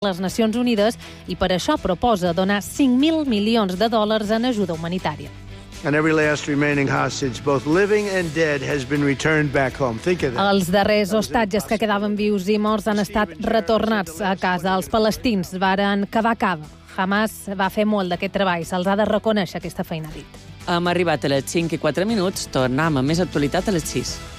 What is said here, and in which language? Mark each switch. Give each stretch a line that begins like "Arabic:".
Catalan: les Nacions Unides i per això proposa donar 5.000 milions de dòlars en ajuda humanitària.
English: And every last remaining hostage, both living and dead, has been returned back home. Think of that.
Catalan: Els darrers hostatges que quedaven vius i morts han estat retornats a casa. Els palestins varen cavar cava. Hamas va fer molt d'aquest treball. Se'ls ha de reconèixer aquesta feina, dit. Hem arribat a les 5 i 4 minuts. Tornem a més actualitat a les 6.